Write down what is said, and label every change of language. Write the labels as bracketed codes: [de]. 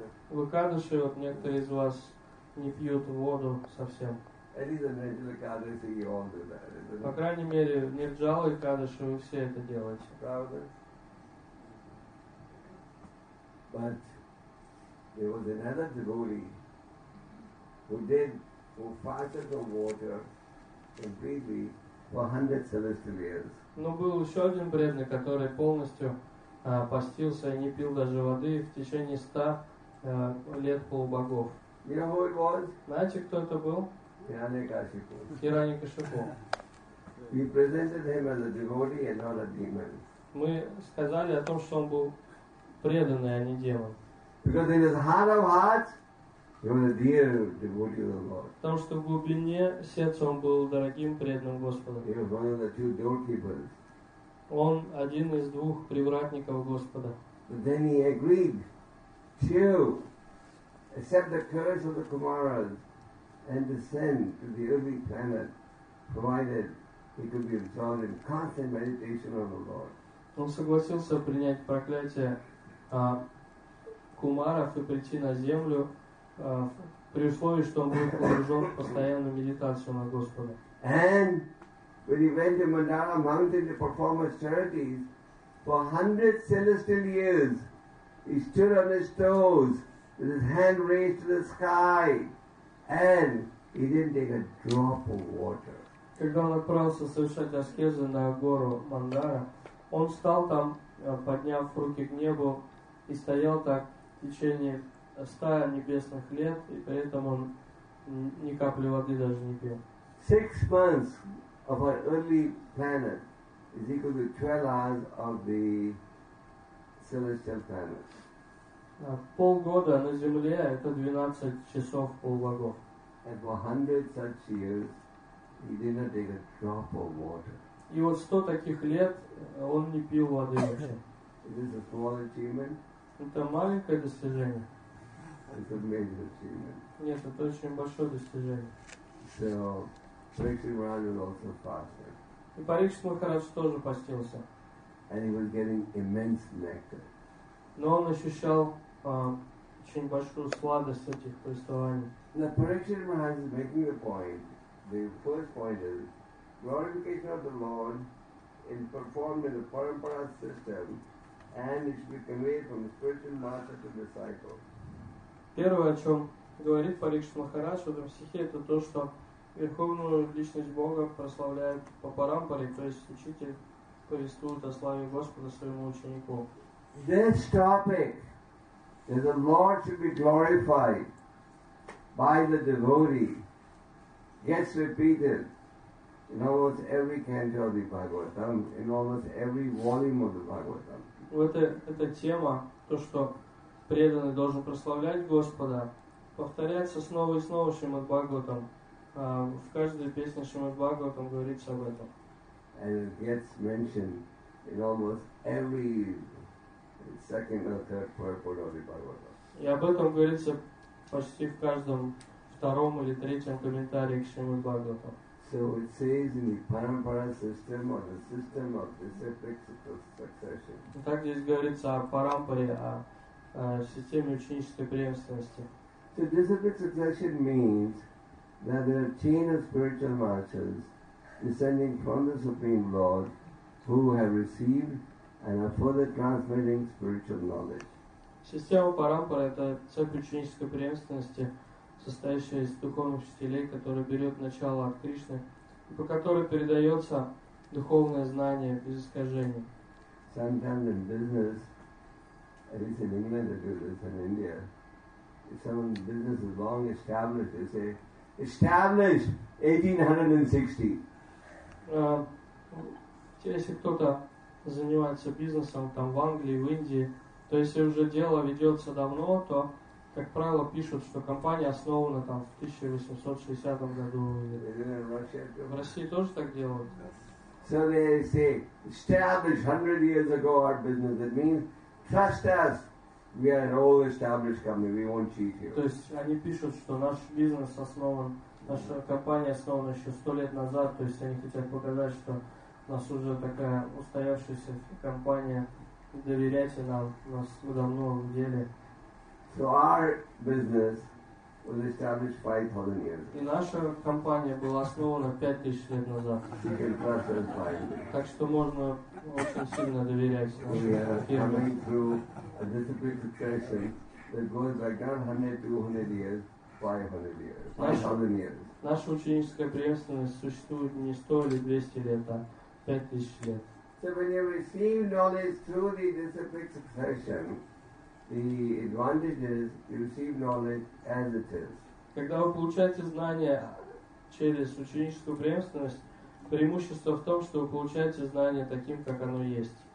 [ru] В Экадаши вот некоторые из вас не пьют воду совсем. По крайней мере, в Нирджала и Экадаши вы все это делаете. Правда? [en] But there was another devotee who fasted from water completely for 100 celestial years. [ru] Но был еще один преданный, который полностью постился и не пил даже воды в течение 100 лет полубогов. [en] You know who it was? [ru] Знаете, кто это был? Хирани Кашипу. [en] We presented him as a devotee and not a demon. [ru] Мы сказали о том, что он был преданный, а не демон. [en] Because in his heart of hearts, he was a dear devotee of the Lord. [ru] Потому что в глубине сердца он был дорогим преданным Господом. [en] He was one of the two doorkeepers. [ru] Он один из двух привратников Господа. [en] But then he agreed to accept the curse of the Kumaras and descend to the early planet, provided he could be absorbed in constant meditation of the Lord. [ru] Он согласился принять проклятие Кумаров и прийти на землю при условии, что он будет погружен в постоянную медитацию на Господа. [en] And when he went to Mandara Mountain to perform his charities, for 100 celestial years, he stood on his toes with his hand raised to the sky, and he didn't take a drop of water. [ru] Когда он отправился совершать аскезы на гору Мандара, он стал там, подняв руки к небу, и стоял так в течение 100 небесных лет, и при этом он ни капли воды даже не пил. [en] 6 months of our early planet is equal to 12 hours of the celestial planet. [ru] Полгода на земле — это 12 часов полбогов. [en] And for 100 such years, he did not take a drop of water. [ru] И вот 100 таких лет он не пил воды вообще. [en] It is a small achievement. [ru] Это маленькое достижение. [en] It's a major achievement. [ru] Нет, это очень большое достижение. [en] So, Parikshit Maharaj was also fasting. [ru] И Парикшит Махарадж тоже постился. [en] And he was getting immense nectar. [ru] Но он ощущал очень большую сладость этих повествований. [en] Now, Parikshit Maharaj is making the point. The first point is, glorification of the Lord is performed in the parampara system and it should be conveyed from the spiritual master to the disciple. [ru] Первое, о чем говорит Парикшит Махарадж в этом стихе, это то, что Верховную Личность Бога прославляет по парампаре, то есть Учитель повествует о славе Господа своему ученику. [en] This topic that the Lord should be glorified by the devotee gets repeated in almost every canto of the Bhagavatam, in almost every volume of the Bhagavatam. [ru] Вот эта тема, то, что преданный должен прославлять Господа, повторяется снова и снова Шримад Бхагаватам. В каждой песне Шримад Бхагаватам говорится об этом. [en] And it gets mentioned in almost every second or third purport of the Bhagavatam. [ru] И об этом говорится почти в каждом втором или третьем комментарии к Шримад Бхагаватам. [en] So it says in the parampara system or the system of disciplic succession. [ru] Так здесь говорится о парампаре, о системе ученической преемственности. [en] So disciplic succession means that there are a chain of spiritual masters descending from the Supreme Lord who have received and are further transmitting spiritual knowledge. [ru] Система парампара — это цепь ученической преемственности, состоящая из духовных учителей, которая берет начало от Кришны, и по которой передается духовное знание без искажений. [en] Sometimes in business, at least in England, if it is in India, if someone's business is long established, they say, established 1860. [ru] Если кто-то занимается бизнесом там в Англии, в Индии, то если уже дело ведется давно, то, как правило, пишут, что компания основана там в 1860 году. В России тоже так делают. [en] So they say, established 100 years ago our business. That means, trust us, we are an old established company, we won't cheat you. [ru] То есть они пишут, что наш бизнес основан, наша компания основана еще 100 лет назад, то есть они хотят показать, что у нас уже такая устоявшаяся компания, доверяйте нам, у нас мы давно в деле. [en] So our business was established 5,000 years ago. [ru] И наша компания была основана 5,000 лет назад. [en] You can trust us by me. [ru] Так что можно очень сильно доверять нашей фирме. [en] We are coming through a disciplined succession that goes like 100-200 years, 500 years, 5,000 years. [ru] Наша ученическая преемственность существует не 100 или 200 лет, а 5,000 лет. [en] So when you receive knowledge through the disciplined succession, the advantage is you receive knowledge as it is. [ru] Когда вы получаете знания через ученическую преемственность, преимущество в том, что вы получаете знание таким, как оно есть.